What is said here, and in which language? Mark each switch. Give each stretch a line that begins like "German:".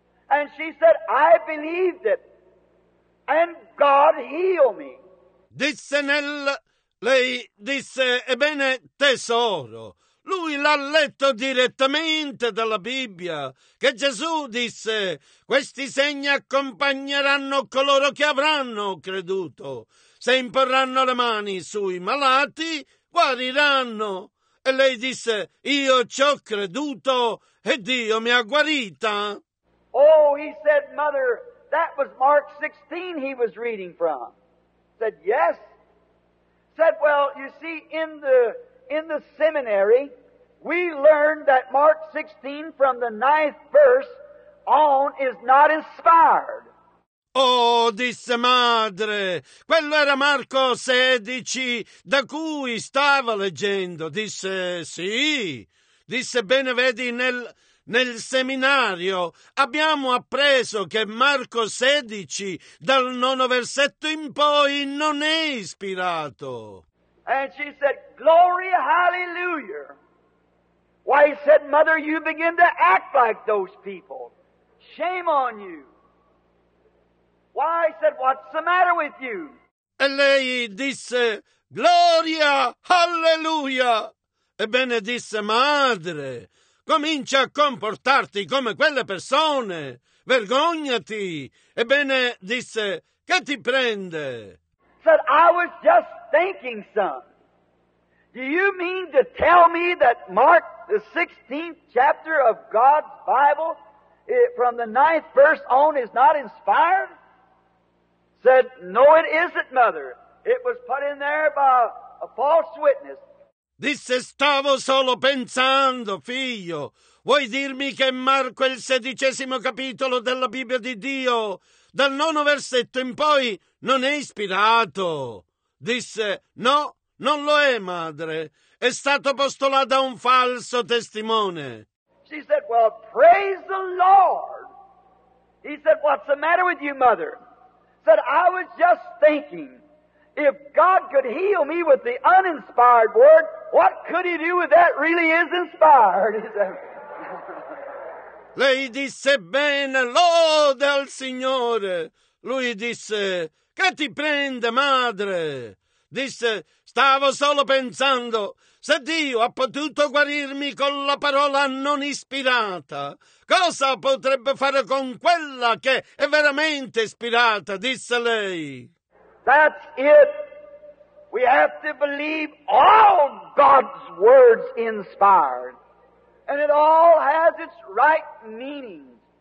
English: And she said, I believed it, and God healed me.
Italian: Disse nel... Lei disse, ebbene, tesoro, lui l'ha letto direttamente dalla Bibbia, che Gesù disse, questi segni accompagneranno coloro che avranno creduto. Se imporranno le mani sui malati, guariranno. E lei disse, io ci ho creduto e Dio mi ha guarita.
English: Oh, he said, mother, that was Mark 16 he was reading from. Said, yes. Said, well, you see, in the seminary, we learned that Mark 16 from the 9th verse on is not inspired.
Italian: Oh, disse madre, quello era Marco 16 da cui stava leggendo. Disse, sì. Disse, bene, vedi, nel seminario abbiamo appreso che Marco 16 dal 9 versetto in poi non è ispirato.
English: And she said, glory, hallelujah. Why, he said, mother, you begin to act like those people. Shame on you. Why, he said, what's the matter with you?
Italian: E lei disse, gloria, hallelujah. Ebbene, disse, madre, comincia a comportarti come quelle persone. Vergognati. Ebbene, disse, che ti prende?
English: Said, I was just thinking, son. Do you mean to tell me that Mark, the 16th chapter of God's Bible, from the 9th verse on, is not inspired? Said, no, it isn't, mother. It was put in there by a false witness.
Italian: Disse, stavo solo pensando, figlio. Vuoi dirmi che Marco, il 16° capitolo della Bibbia di Dio, dal 9° versetto in poi, non è ispirato? Disse, no. Non lo è, madre. È stato postulato da un falso testimone.
English: She said, well, praise the Lord. He said, what's the matter with you, mother? Said, I was just thinking, if God could heal me with the uninspired word, what could he do with that really is inspired?
Italian: Lei disse, bene, lode al Signore. Lui disse, che ti prende, madre? disse, stavo solo pensando se Dio ha potuto guarirmi con la parola non ispirata. Cosa potrebbe fare con quella che è veramente ispirata, disse lei.
English: That's it. We have to believe all God's words inspired. And it all has its right meaning.